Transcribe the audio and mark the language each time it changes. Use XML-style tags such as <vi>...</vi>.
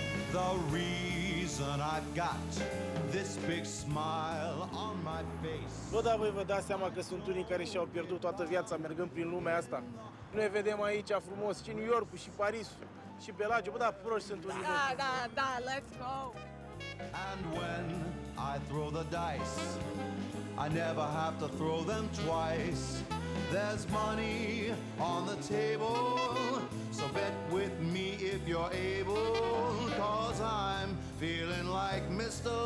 <en>The reason I've got this big smile on my face.</en> <ro>Bă, dar voi vă dați seama că sunt unii care și-au pierdut toată viața mergând prin lumea asta. Noi vedem aici frumos și New York și Paris și Bellagio. Bă, dar proști sunt unii. Da, da, da,</ro> <en>let's go. And when I throw the dice, I never have to throw them twice. There's money on the table, so bet with me if you're able, 'cause I'm feeling like Mr.</en>